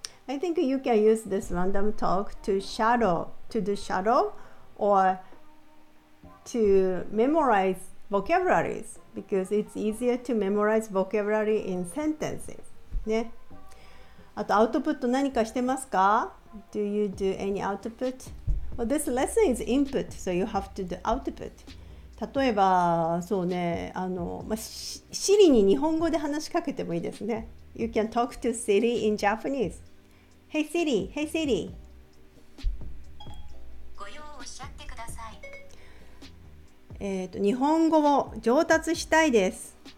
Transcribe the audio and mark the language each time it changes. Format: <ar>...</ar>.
<en>I think you can use this random talk to shadow to do shadow or to memorize vocabularies because it's easier to memorize vocabulary in sentences</en> <ja>ね。あとアウトプット何かしてますか？</ja> <en>Do you do any output? Well, this lesson is input, so you have to do output.</en> <ja>例えば、そうね、Siri に日本語で話しかけてもいいですね。</ja> <en>You can talk to Siri in Japanese. Hey Siri, hey Siri.</en> <ja>ご用をおっしゃってください。日本語を上達したいです。</ja>